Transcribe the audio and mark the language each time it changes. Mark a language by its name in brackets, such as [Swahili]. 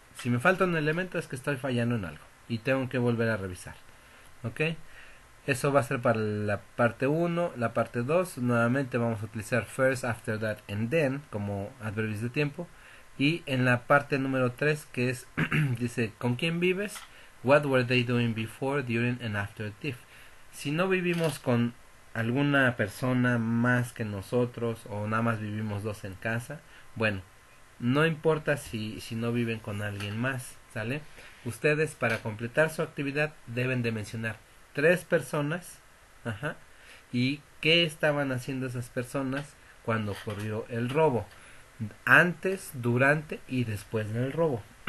[Spanish] Si me falta un elemento es que estoy fallando en algo y tengo que volver a revisar. ¿Ok? Eso va a ser para la parte 1, la parte 2. Nuevamente vamos a utilizar first, after that, and then como adverbios de tiempo. Y en la parte número 3, que es, dice, ¿con quién vives? [English] What were they doing before, during, and after thief? [Spanish] Si no vivimos con alguna persona más que nosotros o nada más vivimos dos en casa, bueno, no importa si no viven con alguien más, ¿sale? Ustedes para completar su actividad deben de mencionar tres personas, y qué estaban haciendo esas personas cuando ocurrió el robo, antes, durante y después del robo.